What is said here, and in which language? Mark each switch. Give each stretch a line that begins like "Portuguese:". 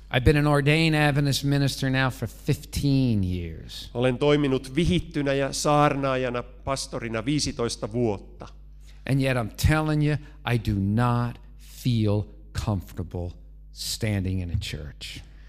English: I've been an ordained Adventist minister now for 15 years.
Finnish: Olen toiminut vihittynä ja saarnaajana pastorina 15 vuotta.
English: And yet I'm telling you, I do not feel comfortable standing in a church.